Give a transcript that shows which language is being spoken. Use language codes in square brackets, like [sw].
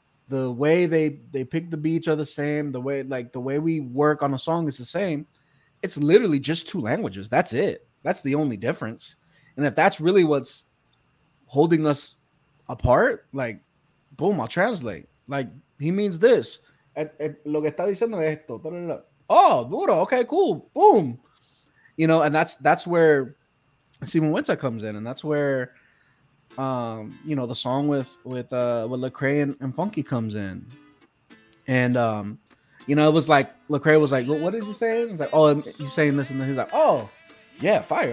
[en] The way they pick the beats are the same. The way we work on a song is the same. It's literally just two languages. That's it. That's the only difference. And if that's really what's holding us apart, like, boom, I'll translate. Like, he means this. [es] Lo que está diciendo es esto. [en] Oh, duro. Okay, cool. Boom. You know, and that's where Simon Wenza comes in. And that's where, you know, the song with Lecrae and Funky comes in. And, you know, it was like, Lecrae was like, well, what is he saying? He's like, oh, he's saying this. And then he's like, oh, yeah, fire.